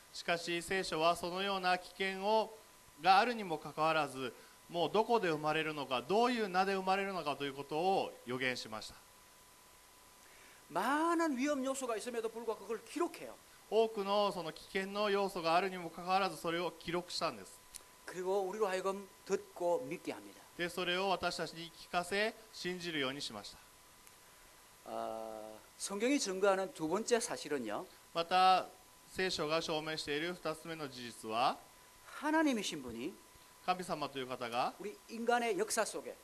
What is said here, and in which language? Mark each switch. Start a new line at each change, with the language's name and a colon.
Japanese: しかし聖書はそのような危険をがあるにもかかわらず、もうどこで生まれるのか、どういう名で生まれるのかということを予言しました。
Korean: 많은위험요소가있음에도불구하고그걸기록해요。
Japanese: 多くのその危険の要素があるにもかかわらずそれを記録したんです。
Korean: 그리고우리로하여금듣고믿게합니다。
Japanese: でそれを私たちに聞かせ信じるようにしました。
Korean: 성경이증거하는두번째사실은요、
Japanese: また聖書が証明している二つ目の事実は、
Korean: 하나님이신분이、
Japanese: 神様という方が、
Korean: 우리인간의역사속에、